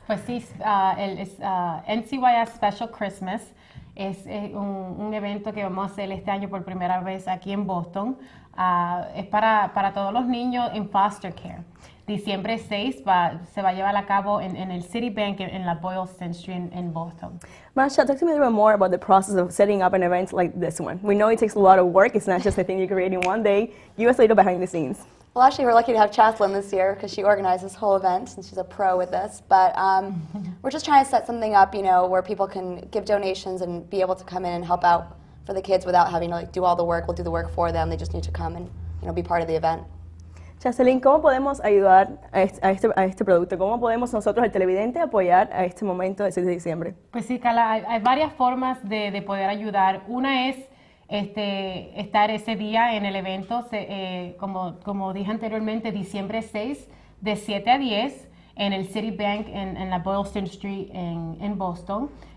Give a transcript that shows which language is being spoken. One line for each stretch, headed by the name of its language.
Spanish: Pues sí, es NCYF Special Xmas. Es un evento que vamos a hacer este año por primera vez aquí en Boston. Es para todos los niños en foster care. Diciembre 6 se va a llevar a cabo en el Citibank en la Boylston Street en Boston.
English: Masha, talk to me a little bit more about the process of setting up an event like this one. We know it takes a lot of work. It's not just a thing you create in one day. Give us a little behind the scenes. Well, actually, we're lucky to have Chastelyn this year because she organized this whole event and she's a pro with this. But we're just trying to set something up, you know, where people can give donations and be able to come in and help out for the kids without having to like do all the work. We'll do the work for them. They just need to come and, you know, be part of the event.
Spanish: Chastelyn, ¿cómo podemos ayudar a este producto? ¿Cómo podemos nosotros, el televidente, apoyar a este momento del 6 de diciembre? Pues sí, Karla, hay varias formas de poder ayudar. Una es estar ese día en el evento, como dije anteriormente, diciembre 6, de 7 a 10, en el Citibank en la Boylston Street en Boston.